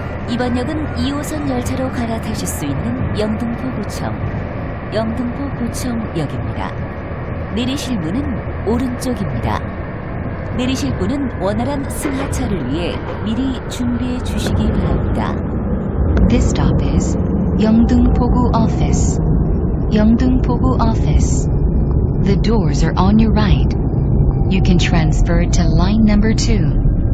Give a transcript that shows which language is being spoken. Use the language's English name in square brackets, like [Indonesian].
[Korean] 이번 역은 2호선 열차로 갈아타실 수 있는 영등포구청, 영등포구청역입니다. 내리실 문은 오른쪽입니다. 내리실 분은 원활한 승하차를 위해 미리 준비해 주시기 바랍니다. [English] This stop is 영등포구 office. 영등포구 office. The doors are on your right. You can transfer to line number 2.